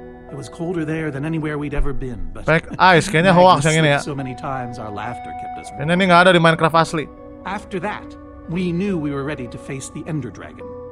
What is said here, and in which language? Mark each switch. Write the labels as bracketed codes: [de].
[en] It was colder there than anywhere we'd ever been. But [id] pack ice, kayaknya hoax yang ini ya. [en] So many times our laughter kept us. [id] Kayaknya ini nggak ada di Minecraft asli. [en] After that, we knew we were ready to face the Ender Dragon.